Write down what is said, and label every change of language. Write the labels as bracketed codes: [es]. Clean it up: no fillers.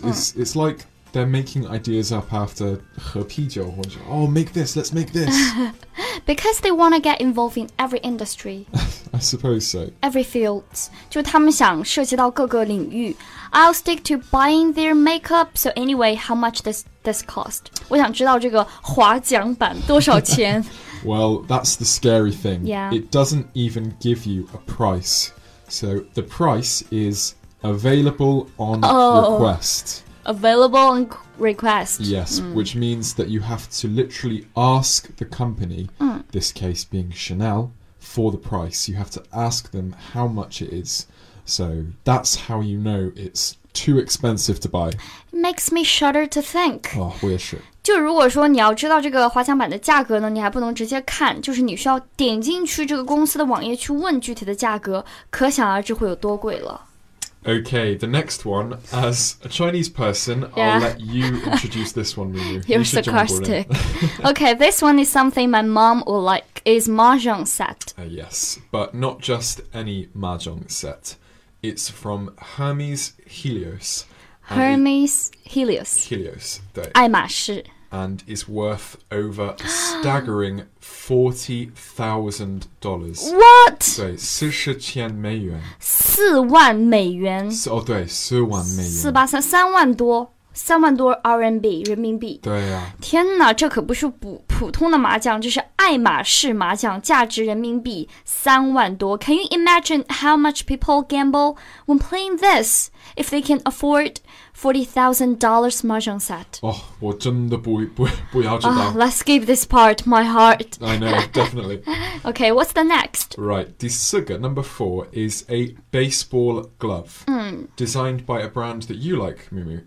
[en] It's like they're making ideas up after [zh] 喝啤酒或者 [en] oh make this, let's make this. Because they want to get involved in every industry. I suppose so. Every field. [zh] 就他们想涉及到各个领域。 [en] I'll stick to buying their makeup. So anyway, how much does this cost? [zh] 我想知道这个滑桨板多少钱。 [en] Well, that's the scary thing. Yeah. It doesn't even give you a price. So the price is available on request. Available on request. Yes, which means that you have to literally ask the company, this case being Chanel, for the price. You have to ask them how much it is. So that's how you know it's too expensive to buy. It makes me shudder to think. [zh] Oh, 我也是。就如果说你要知道这个滑桨板的价格呢，你还不能直接看，就是你需要点进去这个公司的网页去问具体的价格，可想而知会有多贵了。 [en] Okay, the next one, as a Chinese person, I'll let you introduce this one, Mumu. Here's the car stick. Okay, this one is something my mom would like, is Mahjong set. Yes, but not just any Mahjong set. It's from Hermes Helios. Hermes Helios. Helios, 对。 [zh] 爱马仕。 [en] And is worth over a staggering $40,000. What? [zh] 对，四十千美元。四万美元。哦，对，四万美元。四八三，三万多。三万多 RMB 人民币，对呀、啊，天哪，这可不是普通的麻将，这是爱马仕麻将，价值人民币三万多。 [en] Can you imagine how much people gamble when playing this if they can afford $40,000 mahjong set? [zh] 哦，我真的不要知道。 [en] Let's skip this part. My heart. I know, definitely. Okay, what's the next? Right, [zh] 第四个 [en] number four is a baseball glove, designed by a brand that you like, Mumu.